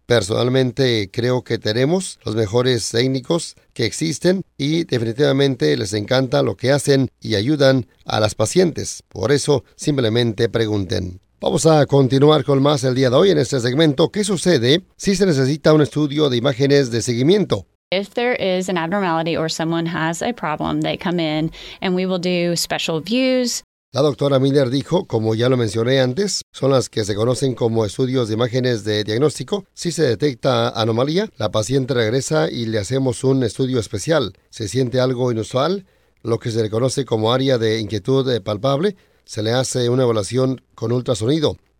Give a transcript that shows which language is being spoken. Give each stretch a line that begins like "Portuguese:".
Spanish: Personalmente creo que tenemos los mejores técnicos que existen y definitivamente les encanta lo que hacen y ayudan a las pacientes. Por eso simplemente pregunten. Vamos a continuar con más el día de hoy en este segmento. ¿Qué sucede si se necesita un estudio de imágenes de seguimiento?
English: If there is an abnormality or someone has a problem, they come in and we will do special views.
Spanish: La doctora Miller dijo, como ya lo mencioné antes, son las que se conocen como estudios de imágenes de diagnóstico. Si se detecta anomalía, la paciente regresa y le hacemos un estudio especial. Si siente algo inusual, lo que se le conoce como área de inquietud palpable, se le hace una evaluación con ultrasonido.